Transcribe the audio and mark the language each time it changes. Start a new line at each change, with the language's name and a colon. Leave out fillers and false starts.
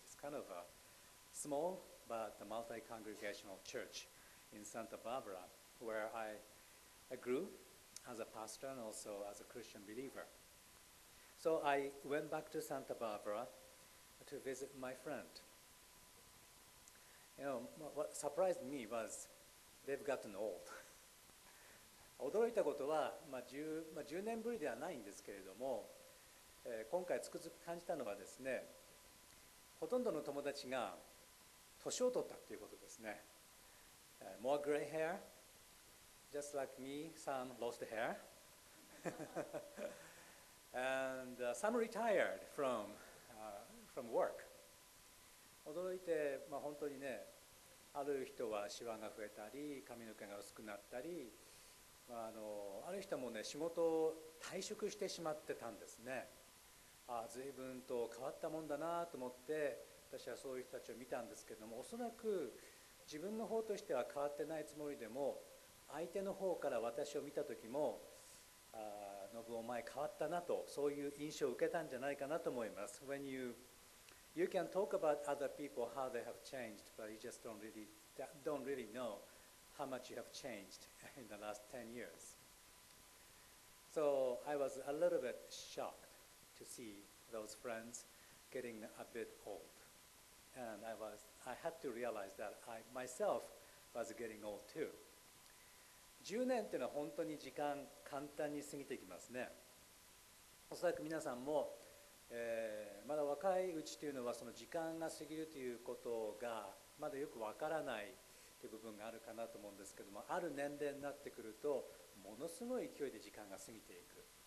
English: It's kind of a small but a multi-congregational church in Santa Barbara, where I grew as a pastor and also as a Christian believer. So I went back to Santa Barbara to visit my friend. You know, what surprised me was they've gotten old.
Japanese: 驚いたことは、10年ぶりではないんですけれども、今回つくづく感じたのはですね、ほとんどの友達が年を取ったということですね。
English: More gray hair, just like me, some lost hair. And some retired from work.
Japanese: 驚いて、本当にね、ある人はシワが増えたり髪の毛が薄くなったり、ある人もね仕事を退職してしまってたんですね。ああ随分と変わったもんだなと思って私はそういう人たちを見たんですけども、おそらく自分の方としては変わってないつもりでも、相手の方から私を見た時も、ノブお前変わったなと、そういう印象を受けたんじゃないかなと思います。
English: When you can talk about other people, how they have changed, but you just don't really know how much you have changed in the last 10 years. So I was a little bit shocked to see those friends getting a bit old. And I had to realize that I myself was getting old too.
Japanese: 10年というのは本当に時間簡単に過ぎていきますね。おそらく皆さんもまだ若いうちというのはその時間が過ぎるということがまだよくわからないという部分があるかなと思うんですけども、ある年齢になってくるとものすごい勢いで時間が過ぎていく。